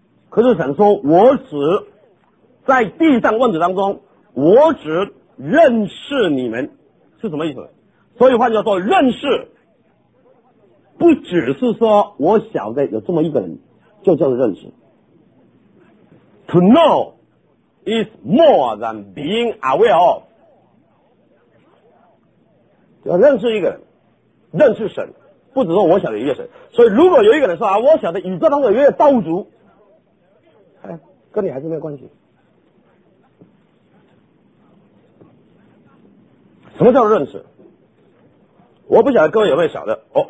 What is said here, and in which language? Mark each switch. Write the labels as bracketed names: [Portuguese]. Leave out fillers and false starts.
[Chinese] 可是神说，我只在地上万子当中，我只认识你们，是什么意思？所以换句话说，认识不只是说我晓得有这么一个人，就叫做认识。 [English] To know is more than being aware of. [Chinese] 要认识一个人，认识神，不只说我晓得一个神。所以如果有一个人说啊，我晓得宇宙当中有一个造物主，哎，跟你还是没有关系。什么叫认识？我不晓得各位有没有晓得。